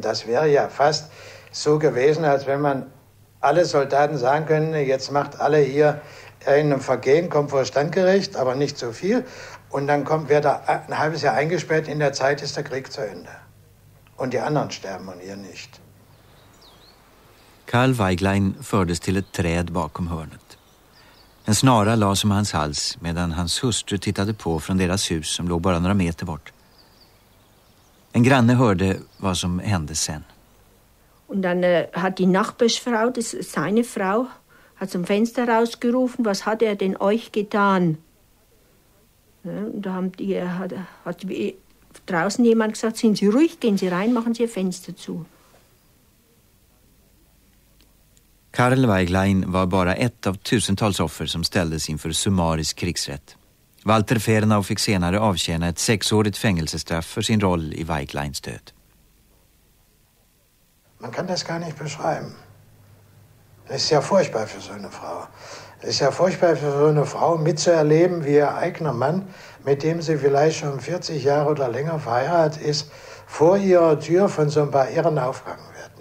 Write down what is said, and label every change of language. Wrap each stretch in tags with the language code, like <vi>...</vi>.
<de>Das wäre ja fast so gewesen, als wenn man alle Soldaten sagen können, jetzt macht alle hier ein Vergehen, kommt vor Standgericht, aber nicht zu viel. Und dann kommt, wer da ein halbes Jahr eingesperrt, in der Zeit ist der Krieg zu Ende. Und die anderen sterben und ihr nicht.</de> <sv>Karl Weiglein fördes till ett träd bakom hörnet. En snara lades om hans hals medan hans hustru tittade på från deras hus som låg bara några meter bort. En granne hörde vad som hände sen.</sv> <de>Und dann hat die Nachbarsfrau, das ist seine Frau, hat zum Fenster rausgerufen, was hat er denn euch getan? Ja, und da haben die, hat draußen jemand gesagt, sind Sie ruhig, gehen Sie rein, machen Sie ihr Fenster zu.</de> <sv>Karl Weiglein war bara ett av tusentals offer som ställdes inför summarisk krigsrätt. Walter Fernau fick senare avtjäna ett 6-årigt fängelsestraff för sin roll i Weigleins död.</sv> <de>Man kann das gar nicht beschreiben. Das ist ja furchtbar für so eine Frau. Das ist ja furchtbar für so eine Frau, mitzuerleben, wie ihr eigener Mann, mit dem sie vielleicht schon 40 Jahre oder länger verheiratet ist, vor ihrer Tür von so ein paar Irren aufgegangen wird.</de>